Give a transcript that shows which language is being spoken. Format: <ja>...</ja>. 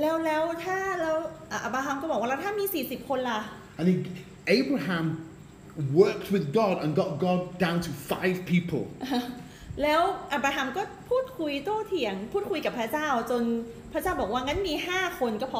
<th>แล้วถ้าเราอับราฮัมก็บอกว่าแล้วถ้ามี40คนล่ะ</th> <en>And he, Abraham worked with God and got God down to 5 people</en> <th>แล้วอับราฮัมก็พูดคุยโต้เถียงพูดคุยกับพระเจ้าจนพระเจ้าบอกว่างั้นมี5คนก็พ</th>